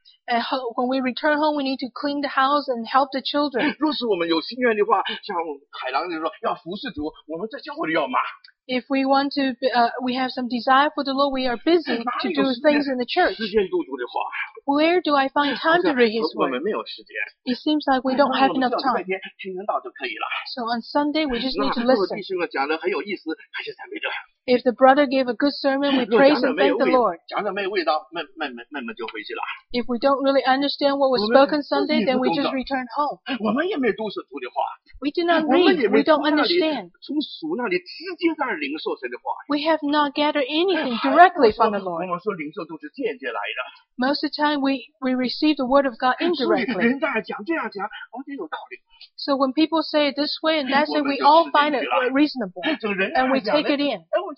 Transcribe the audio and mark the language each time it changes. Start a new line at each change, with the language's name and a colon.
English: And when we return home, we need to clean the house and help the children.
Chinese: 若是我们有心愿的话，像海狼就说要服侍主，我们在教会里要忙。
English: If we want to, we have some desire for the Lord, we are busy to do things in the church.
Chinese: 时间读主的话。
English: Where do I find time to read His word?
Chinese: 我们没有时间。
English: It seems like we don't have enough time.
Chinese: 我们只要礼拜天听得到就可以了。
English: So on Sunday, we just need to listen.
Chinese: 那如果弟兄们讲的很有意思，还是赞美主。
English: If the brother gave a good sermon, we praise and thank the Lord.
Chinese: 讲的没有味道，慢慢就回去了。
English: If we don't really understand what was spoken Sunday, then we just return home.
Chinese: 我们也没读神的话。
English: We do not read. We don't understand.
Chinese: 从主那里直接在领受神的话。
English: We have not gathered anything directly from the Lord.
Chinese: 我们说领受都是间接来的。
English: Most of the time, we receive the word of God indirectly.
Chinese: 人在讲这样讲，我觉得有道理。
English: So when people say it this way and that way, we all find it reasonable, and we take it in.